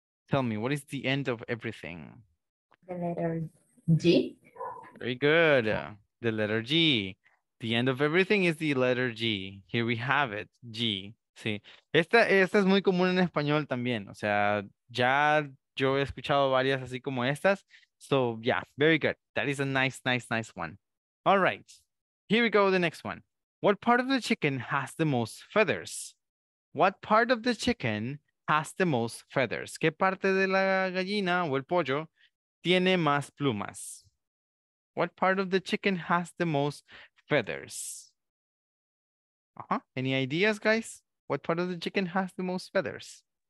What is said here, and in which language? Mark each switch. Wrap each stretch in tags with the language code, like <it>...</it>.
<en>Tell me, what is the end of everything? The letter G. Very good. The letter G. The end of everything is the letter G. Here we have it.</en> <es>G. Sí. Esta es muy común en español también. O sea, ya yo he escuchado varias así como estas.</es> <en>So, yeah. Very good. That is a nice, nice, nice one. All right. Here we go. The next one. What part of the chicken has the most feathers? What part of the chicken has the most feathers?</en> <es>¿Qué parte de la gallina o el pollo tiene más plumas?</es> <en>What part of the chicken has the most feathers? Any ideas, guys? What part of the chicken has the most feathers?</en>